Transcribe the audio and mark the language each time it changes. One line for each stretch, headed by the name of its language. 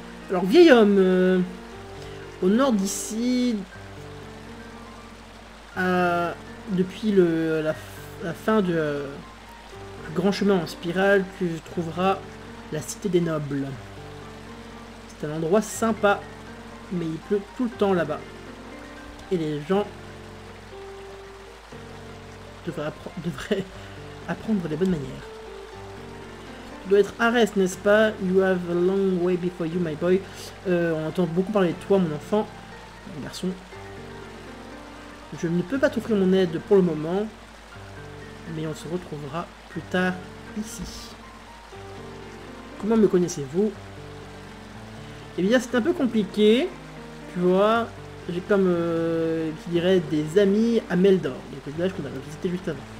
French: Alors, vieil homme, au nord d'ici, depuis la fin du grand chemin en spirale, tu trouveras la cité des nobles. C'est un endroit sympa, mais il pleut tout le temps là-bas. Et les gens devrait apprendre les bonnes manières. Tu dois être Arès, n'est-ce pas?
English: You have a long way before you, my boy.
French: On entend beaucoup parler de toi, mon enfant. Mon garçon. Je ne peux pas t'offrir mon aide pour le moment. Mais on se retrouvera plus tard ici. Comment me connaissez-vous? Eh bien, c'est un peu compliqué. Tu vois, j'ai comme, qui dirait, des amis à Meldor, le village qu'on avait visité juste avant.